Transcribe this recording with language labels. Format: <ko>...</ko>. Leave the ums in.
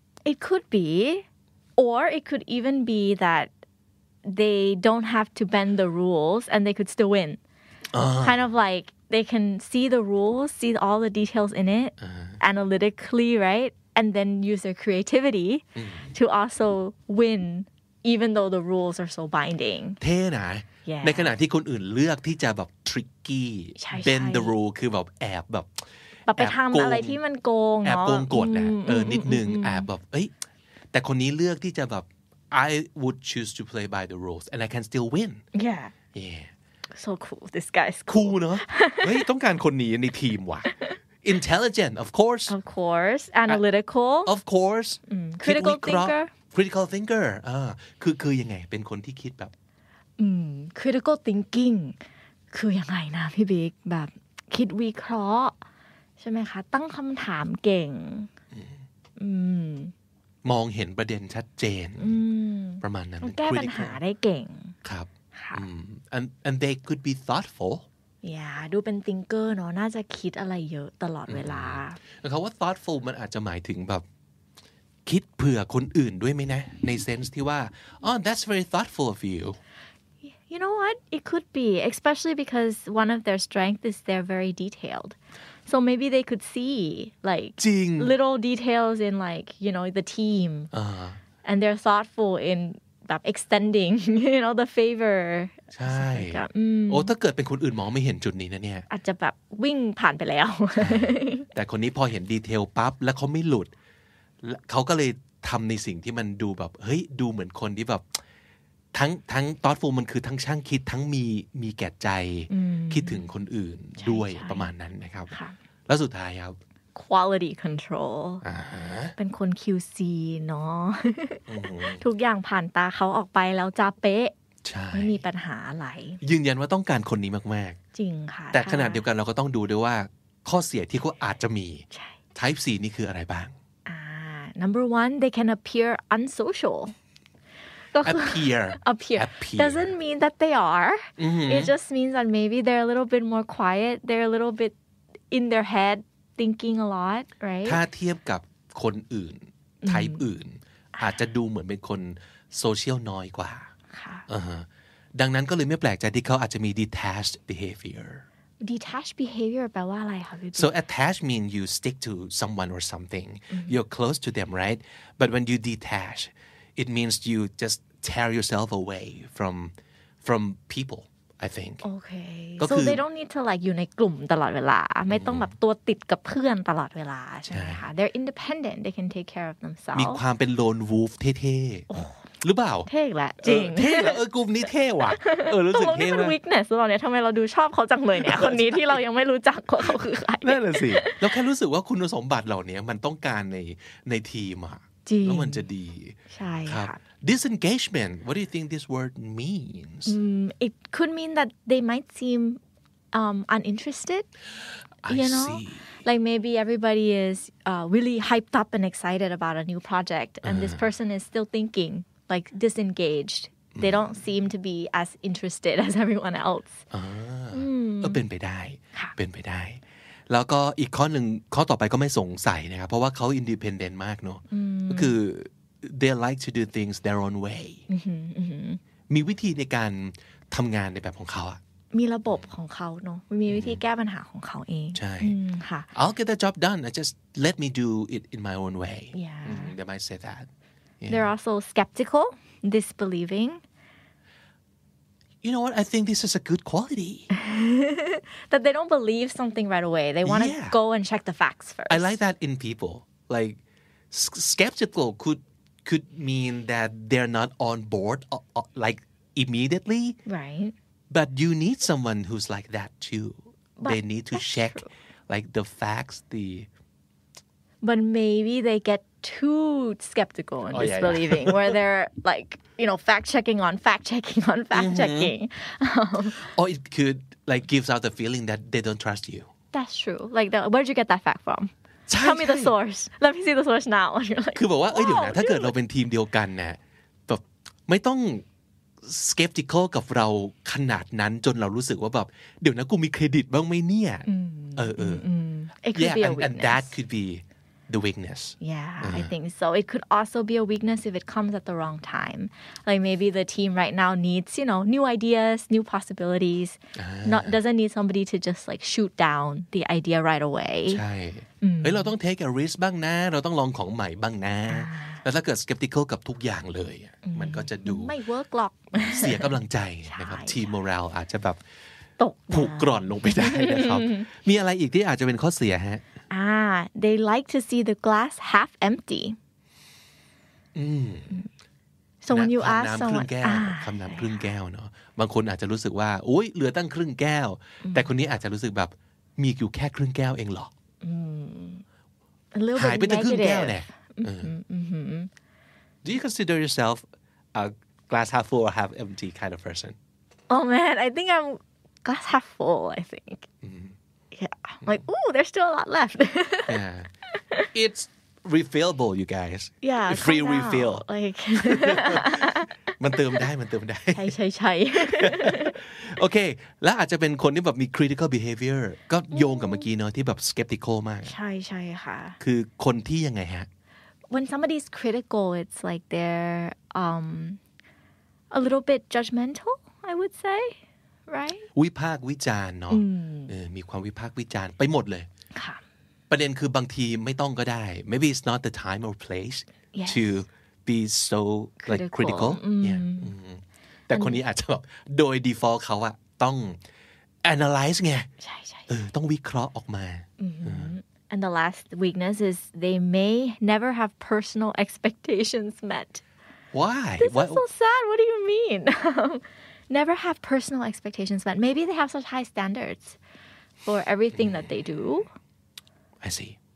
<en>It could be, or it could even be that they don't have to bend the rules and they could still win. Uh -huh. Kind of like they can see the rules, see all the details in it uh -huh. analytically, right? And then use their creativity uh -huh. to also win, even though the rules are so binding.</en> <th>ในขณะที่คนอื่นเลือกที่จะแบบ</th> <en>tricky bend the rule</en> <th>คือแบบแอบแบบแบบไปทำอะไรที่ มันโกงแอบโกงกดเออนิดนึงแอ บแบบเอ้ยแต่คนนี้เลือกที่จะแบบ</th> <en>I would choose to play by the rules and I can still win yeah yeah so cool this guy's i cool เนาะ</en> <th>เฮ้ยต้องการคนนี้ในทีมว่ะ</th> <en>intelligent of course of course analytical of course critical thinker</en> <th>critical thinker อ่าคือคือยังไง เป็นคนที่คิดแบบ อืม critical thinking คือยังไงนะพี่บิ๊กแบบ คิดวิเคราะห์ใช่ไหมคะ ตั้งคำถามเก่งอ มองเห็นประเด็นชัดเจนประมาณนั้นแก้ปัญหาไ ด้เก่งครับ</th> <en>and and they could be thoughtful</en> <th>อย่าดูเป็นติงเกอร์เนาะน่าจะคิดอะไรเยอะตลอดเวลา เขาว่า thoughtful มันอาจจะหมายถึงแบบคิดเผื่อคนอื่นด้วยไหมนะ ในเซนส์ที่ว่า</th> <en>oh that's very thoughtful of you you know what it could be especially because one of their strength is they're very detailed so maybe they could see like little details in like you know the team uh-huh. and they're thoughtful in แบบ extending you know the favor ใช่โอ้ถ้</en> <th>าเกิดเป็นคนอื่นมองไม่เห็นจุดนี้นะเนี่ย อาจจะแบบ วิ่งผ่านไปแล้ว แต่คนนี้พอเห็นดีเทลปั๊บแล้วเขาไม่หลุด เขาก็เลยทำในสิ่งที่มันดูแบบเฮ้ยดูเหมือนคนที่แบบทั้งทั้งทอดฟูมันคือทั้งช่างคิดทั้งมีมีแก่ใจ คิดถึงคนอื่นด้วยประมาณนั้นนะครับ แล้วสุดท้ายครับ quality control uh-huh. เป็นคน QC เนาะทุกอย่างผ่านตาเขาออกไปแล้วจะเป๊ะไม่มีปัญหาอะไร ยืนยันว่าต้องการคนนี้มาก ๆ จริงค่ะ แต่ขนาดเดียวกันเราก็ต้องดูด้วยว่าข้อเสียที่เขาอาจจะมี type 4นี่คืออะไรบ้าง</th> <en>uh, number one they can appear unsocial appear appear doesn't mean that they are it just means that maybe they're a little bit more quiet they're a little bit in their head thinking a lot right ถ้า</en> <th>เทียบกับคนอื่น type อื่น อาจจะดูเหมือนเป็นคนโซเชียลน้อยกว่าค่ะ uh-huh. ดังนั้นก็เลยไม่แปลกใจที่เขาอาจจะมี detached behavior Detached behavior แปลว่าอะไรคะพี่ So</th> <en>attached mean you stick to someone or something mm-hmm. you're close to them right but when you detach h m m it means you just tear yourself away from from people I think okay so they don't need to like</en> <th>อยู่ในกลุ่มตลอดเวลาไม่ต้องแบบตัวติดกับเพื่อนตลอดเวลาใช่ไหมคะ</th> <en>they're independent they can take care of themselves</en> <th>มีความ เป็น lone wolf เท่ๆหรือเปล่า เท่ละจริงเท่ละเออกลุ่มนี้เท่ว่ะเออรู้สึกเท่มากตรงนี้มัน w e a k n e s ตอนนี้ทำไมเราดูชอบเขาจังเลยเนี่ย คนนี้ที่เรายังไม่รู้จักว่าเขาคือใคร นั่นแหละสิ แ ล้วแค่รู้สึกว่าคุณสมบัติเหล่านี้มันต้องการในในทีมอะจริงแล้วมันจะดีใช่ค่ะ</th> <en>uh, disengagement what do you think this word means mm, it could mean that they might seem um, uninterested I you know see. like maybe everybody is uh, really hyped up and excited about a new project and uh. this person is still thinking like disengaged mm. they don't seem to be as interested as everyone else อ่าก็</en> <th>เป็นไปได้เป็นไปได้ mm. แล้วก็อีกข้อหนึ่งข้อต่อไปก็ไม่สงสัยนะครับเพราะว่าเขาอินดีเพนเดนต์มากเนาะก็คือ</th> <en>they like to do things their own way</en> <th>มีวิธีในการทำงานในแบบของเขาอะ มีระบบของเขาเนาะมีวิธีแก้ปัญหาของเขาเอง ใช่ค่ะ</th> <en>I'll get the job done I just let me do it in my own way yeah. mm-hmm. they might say that yeah. they're also skeptical disbelieving you know what? I think this is a good quality. that they don't believe something right away. They want to yeah. go and check the facts first. I like that in people. Like s- skeptical could could mean that they're not on board uh, uh, like immediately. Right. But you need someone who's like that too. But they need to check true. like the facts, the but maybe they get too skeptical and oh, disbelieving yeah, yeah. where they're like you know fact checking on fact checking on fact mm-hmm. checking or it could like gives out the feeling that they don't trust you that's true like where did you get that fact from tell me the source let me see the source now</en> <th>คือบอกว่า เอ้ยเดี๋ยวนะ ถ้าเกิดเราเป็นทีมเดียวกันเนี่ยแบบไม่ต้อง skeptical กับเราขนาดนั้นจนเรารู้สึกว่าแบบ เดี๋ยวนะกูมีเครดิตบ้างไหมเนี่ย เออเออ</th> <en>yeah and that could be the weakness. Yeah, uh-huh. I think so. It could also be a weakness if it comes at the wrong time. Like maybe the team right now needs, you know, new ideas, new possibilities. Uh-huh. Not doesn't need somebody to just like shoot down the idea right away.</en> <th>ใช่เฮ้ยเราต้อง take a risk บ้างนะเราต้องลองของใหม่บ้างนะแล้วถ้าเกิด skeptical กับทุกอย่างเลยมันก็จะดู ไม่ work หรอกเสียกำลังใจนะครับ team morale อาจจะแบบตกผุกร่อนลงไปได้นะครับมีอะไรอีกที่อาจจะเป็นข้อเสียฮะ</th> <en>Ah, they like to see the glass half empty. Mm. Mm. So when you now, ask so someone,</en> <th>คำนามครึ่งแก้วเนาะบางคนอาจจะรู้สึกว่าโอ้ยเหลือตั้งครึ่งแก้วแต่คนนี้อาจจะรู้สึกแบบมีอยู่แค่ครึ่งแก้วเองหรอก หายไปตั้งครึ่งแก้วเนี่ย</th> <en>Do you consider yourself a glass half full or half empty kind of person? Oh man, I think I'm glass half full. I think. Mm-hmm yeah. I'm like oh, there's still a lot left. yeah, it's refillable, you guys. Yeah, free refill. Out.</en> <th>Like, มันเติมได้มันเติมได้ใช่ใช่ใช่โอเคแล้วอาจจะเป็นคนที่แบบมี critical behavior ก็โยงกับเมื่อกี้เนาะที่แบบ skeptical มากใช่ใช่ค่ะ คือคนที่ยังไงฮะ</th> <en>when somebody's critical it's like they're um, a little bit judgmental I would say right</en> <th>วิพากวิจารเนาะมีความวิพากวิจารไปหมดเลยประเด็นคือบางทีไม่ต้องก็ได้</th> <en>maybe it's not the time or place yes. to be so critical. like critical yeah.</en> <th>แต่คนนี้อาจจะแบบโดย default เขาอะต้อง analyze ไงใช่ต้องวิเคราะห์ออกมา</th> <en>and the last weakness is they may never have personal expectations met why this is so sad what do you mean never have personal expectations, but maybe they have such high standards for everything that they do. I see.</en>